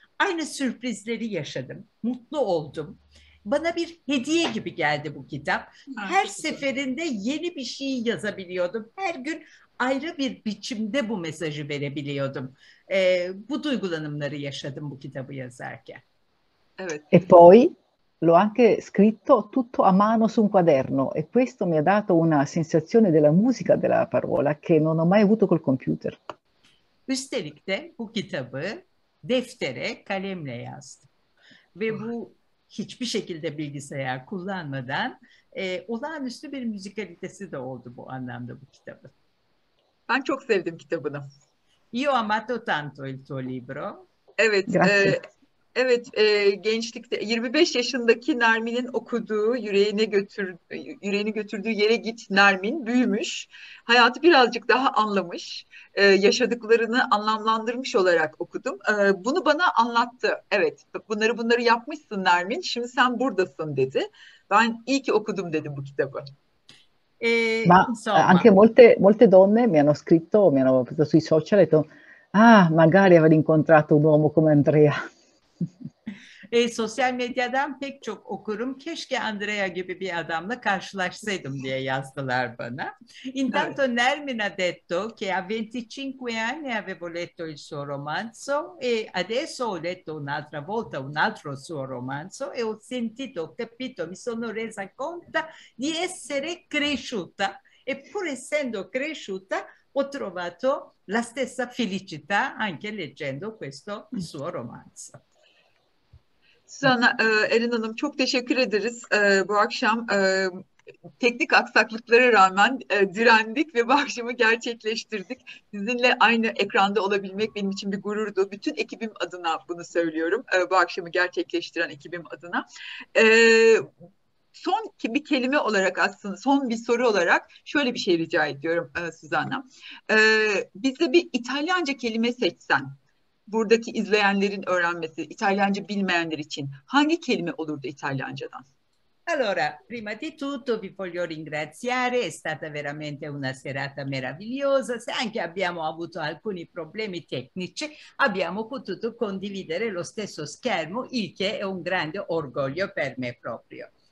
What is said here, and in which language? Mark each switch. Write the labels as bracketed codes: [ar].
[tr] Aynı sürprizleri yaşadım, mutlu oldum. Bana bir hediye gibi geldi bu kitap. Her seferinde yeni bir şey yazabiliyordum. Her gün ayrı bir biçimde bu mesajı verebiliyordum. Bu duygulanımları yaşadım bu kitabı yazarken. Evet. [it] E poi? L'ho anche scritto tutto a mano su un quaderno e questo mi ha dato una sensazione della musica della parola che non ho mai avuto col computer. [tr] Üstelik de bu kitabı deftere kalemle yazdım. Ve bu hiçbir şekilde bilgisayar kullanmadan olağanüstü bir müzikalitesi de oldu bu anlamda bu kitabı. Ben çok sevdim kitabını. [it] Io ho amato tanto il tuo libro. [tr] Evet. [it] Grazie. [tr] Evet, gençlikte 25 yaşındaki Nermin'in okuduğu, yüreğini götürdüğü yere git Nermin büyümüş. Hayatı birazcık daha anlamış, yaşadıklarını anlamlandırmış olarak okudum. Bunu bana anlattı. Evet, bunları yapmışsın Nermin, şimdi sen buradasın dedi. Ben iyi ki okudum dedim bu kitabı. [it] Ma insomma. Anche molte donne mi hanno scritto, mi hanno scritto sui social e detto, magari aver incontrato un uomo come Andrea. [tr] Sosyal medyadan pek çok okurum. Keşke Andrea gibi bir adamla karşılaşsaydım diye yazdılar bana. [it] Intanto Nermina detto che a 25 anni avevo letto il suo romanzo e adesso ho letto un'altra volta un altro suo romanzo e ho sentito, ho capito, mi sono resa conto di essere cresciuta. E pur essendo cresciuta, ho trovato la stessa felicità anche leggendo questo suo romanzo. [tr] Sana Eren Hanım çok teşekkür ederiz. Bu akşam teknik aksaklıklara rağmen direndik ve bu akşamı gerçekleştirdik. Sizinle aynı ekranda olabilmek benim için bir gururdu. Bütün ekibim adına bunu söylüyorum. Bu akşamı gerçekleştiren ekibim adına. Son bir kelime olarak aslında, son bir soru olarak şöyle bir şey rica ediyorum Suzanna. Bize bir İtalyanca kelime seçsen, buradaki izleyenlerin öğrenmesi, İtalyanca bilmeyenler için hangi kelime olurdu İtalyancadan? [it] Allora, prima di tutto vi voglio ringraziare, è stata veramente una serata meravigliosa, se anche abbiamo avuto alcuni problemi tecnici, abbiamo potuto condividere lo stesso schermo, il che è un grande orgoglio per me proprio.